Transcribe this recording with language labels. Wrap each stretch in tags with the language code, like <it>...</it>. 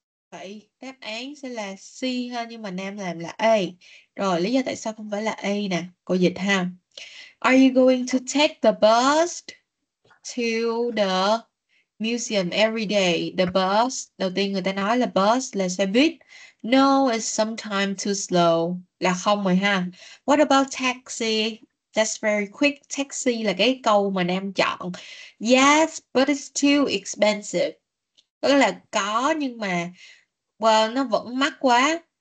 <vi>Vậy đáp án sẽ là C ha, nhưng mà Nam làm là A. Rồi, lý do tại sao không phải là A nè, cô dịch ha.</vi> <en>Are you going to take the bus to the museum every day?</en> <vi>The bus, đầu tiên người ta nói là bus là xe buýt.</vi> <en>No, it's sometimes too slow.</en> <vi>Là không rồi ha.</vi> <en>What about taxi? That's very quick.</en> <vi>Taxi là cái câu mà Nam chọn.</vi> <en>Yes, but it's too expensive.</en> <vi>Tức là có nhưng mà, well, nó vẫn mắc quá.</vi>